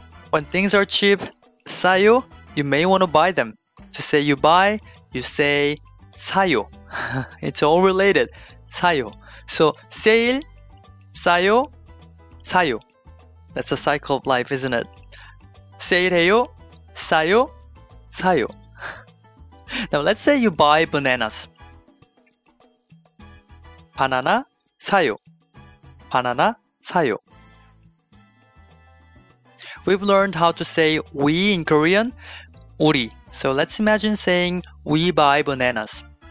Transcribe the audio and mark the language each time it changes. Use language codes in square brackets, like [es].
[en] When things are cheap, 사요, you may want to buy them. To say you buy, you say 사요. It's all related. 사요. So, sale, [ko] 사요, 사요. [en] That's a cycle of life, isn't it? [ko] Sale 해요, 사요, 사요. [en] Now, let's say you buy bananas. [ko] 바나나 사요. 바나나 사요. [en] We've learned how to say we in Korean, 우리. So let's imagine saying we buy bananas.